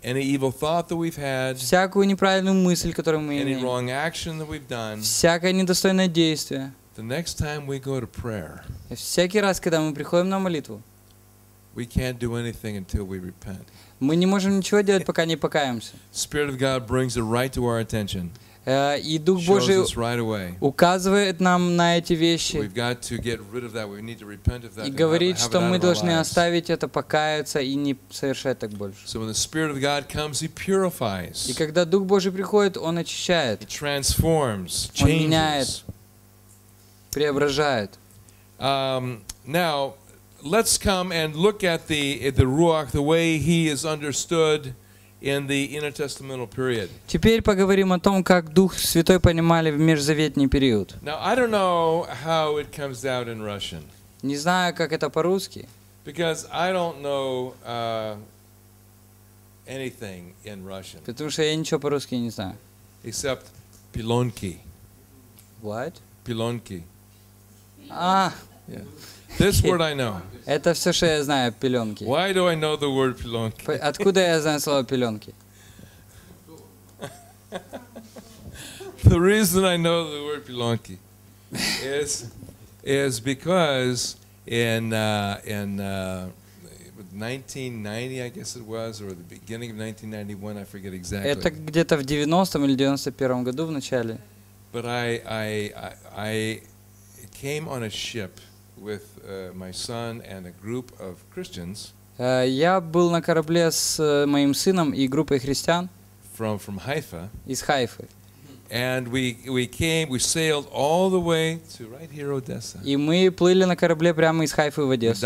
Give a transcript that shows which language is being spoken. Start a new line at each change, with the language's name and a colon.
English: any evil thought that we've had,
Russian: всякую неправильную мысль, которую мы
English: any
Russian: имеем,
English: wrong action that we've done,
Russian: всякое недостойное действие,
English: the next time we go to prayer,
Russian: всякий раз, когда мы приходим на молитву,
English: we can't do anything until we repent.
Russian: Мы не можем ничего делать, пока не покаемся.
English: Spirit of God brings it right to our attention.
Russian: И Дух Божий указывает нам на эти вещи и говорит, что мы должны оставить это, покаяться и не совершать так больше. И когда Дух Божий приходит, Он очищает, Он меняет, преображает.
English: Now, let's come and look at the Ruach, the way he is understood in the intertestamental period.
Russian: Теперь поговорим о том, как Дух Святой понимали в межзаветний период.
English: Now I don't know how it comes out in Russian.
Russian: Не знаю, как это по-русски.
English: Because I don't know anything in Russian.
Russian: Потому что я ничего по-русски не знаю.
English: Except pilonki. What? Pilonki. Ah. This word I know.
Russian: Это все, что я знаю, пеленки.
English: Why do I know the word пеленки?
Russian: Откуда я знаю слово пеленки?
English: The reason I know the word пеленки is because in 1990, I guess it was, or the beginning of 1991, I forget exactly.
Russian: Это где-то в 90-м или 91-м году в начале.
English: But I came on a ship with my son and a group of Christians.
Russian: Я был на корабле с моим сыном и группой христиан.
English: From Haifa.
Russian: Из Хайфы.
English: And we sailed all the way to right here, Odessa.
Russian: И мы плыли на корабле прямо из Хайфы в Одессу.